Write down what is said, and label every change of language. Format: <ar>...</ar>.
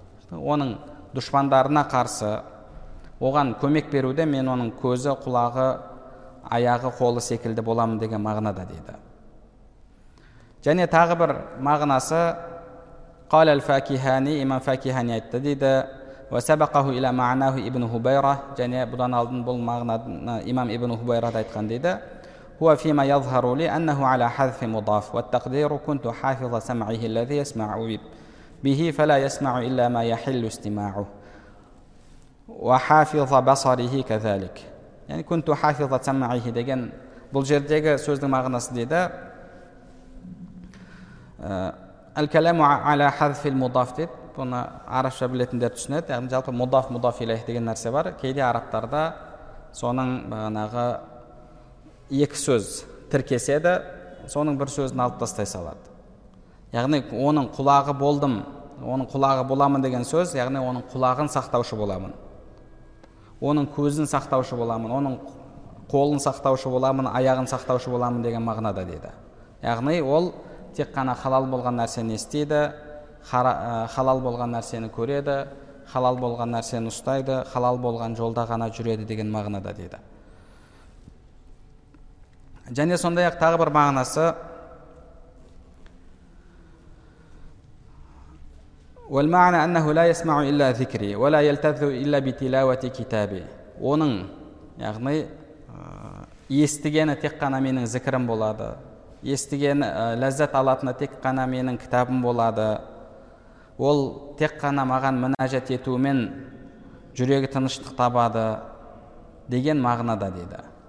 <kk>Оның душмандарына қарсы оған көмек беруде мен оның көзі, құлағы, аяғы, қолы секілді боламын деген мағынада дейді. Және тағы бір мағынасы:</kk> <ar>"Қала аль-факихани",</ar> <kk>имам факихани айтты дейді.</kk> <ar>"Ва сабақаху иля маънаху ибн хубайра".</ar> <kk>Және бұдан алдын бұл мағынаны имам ибн хубайра айтқан дейді.</kk> <ar>هو فيما يظهر لي انه على حذف مضاف والتقدير كنت حافظ سمعه الذي يسمع به فلا يسمع الا ما يحل استماعه وحافظ بصره كذلك. يعني كنت حافظ سمعه</ar> <kk>деген бұл жердегі сөздің мағынасы деді.</kk> <ar>الكلام على حذف المضاف</ar> <kk>деп бұны арабша білетіндер түсінеді. Яғни жалпы мудаф мудаф илейх деген нәрсе бар. Кейде арабтарда соның бағанағы екі сөз тіркеседі, соның бір сөзін алып тастай салады. Яғни оның құлағы болдым, оның құлағы боламын деген сөз, яғни оның құлағын сақтаушы боламын, оның көзін сақтаушы боламын, оның қолын сақтаушы боламын, аяғын сақтаушы боламын деген мағынада дейді. Яғни ол тек қана халал болған нәрсені естейді, халал болған нәрсені көреді, халал болған нәрсені ұстайды, халал болған жолда ғана жүреді деген мағынада дейді. Және сондай-ақ тағы бір мағынасы:</kk> <ar>والمعنى انه لا يسمع الا ذكري ولا يلتذ الا بتلاوه كتابي.</ar> <kk>Оның яғни естігені тек қана менің зікірім болады. Естігені ләззат алатыны тек қана менің кітабым болады. Ол тек қана маған мінәжат етумен жүрегі тыныштық табады деген мағынада дейді.</kk>